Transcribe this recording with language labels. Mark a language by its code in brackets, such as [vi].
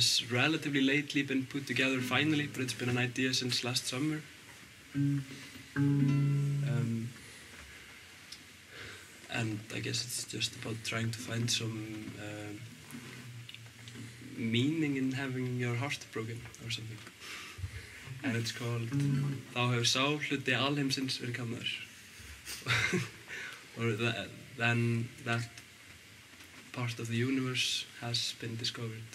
[en] relatively lately been put together finally, but it's been an idea since last summer. And I guess it's just about trying to find some meaning in having your heart broken or something. And it's called [is] Þá hefur sá hluti alheimsins verið kamaður. [en] Or then that part of the universe has been discovered.